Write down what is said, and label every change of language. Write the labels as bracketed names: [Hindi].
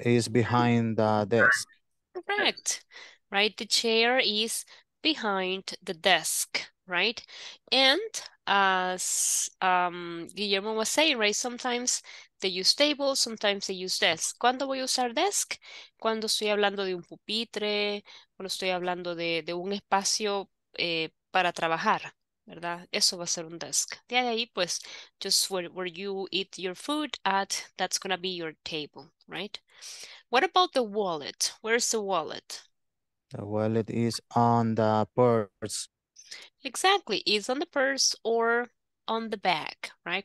[English] is behind the desk. Correct. Right. The chair is behind the desk, right? And as Guillermo was saying, right, sometimes they use table, sometimes they use desk. [Spanish] ¿Cuándo voy a usar desk? Cuando estoy hablando de un pupitre, cuando estoy hablando de un espacio para trabajar, ¿verdad? Eso va a ser un desk. De ahí, pues, [English] just where you eat your food at, that's going to be your table, right? What about the wallet? Where's the wallet? The wallet is on the purse. Exactly. It's on the purse or on the bag, right?